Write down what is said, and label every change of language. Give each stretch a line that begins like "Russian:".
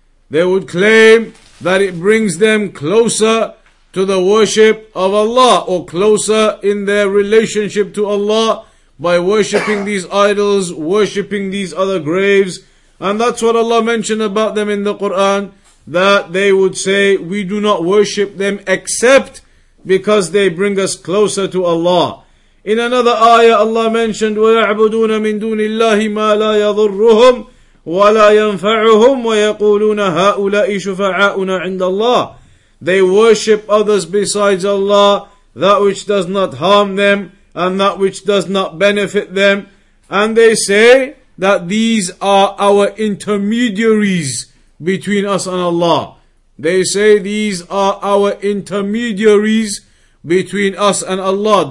English: They would claim that it brings them closer to the worship of Allah, or closer in their relationship to Allah, by worshipping these idols, worshipping these other graves. And that's what Allah mentioned about them in the Quran, that they would say, we do not worship them except because they bring us closer to Allah. In another ayah, Allah mentioned,
Arabic: وَيَعْبُدُونَ مِن دُونِ اللَّهِ مَا لَا يَضُرُّهُمْ وَلَا يَنْفَعُهُمْ وَيَقُولُونَ هَؤُلَاءِ شُفَعَاؤُنَا عِنْدَ اللَّهِ.
English: They worship others besides Allah, that which does not harm them and that which does not benefit them. And they say that these are our intermediaries between us and Allah. They say these are our intermediaries between us and Allah.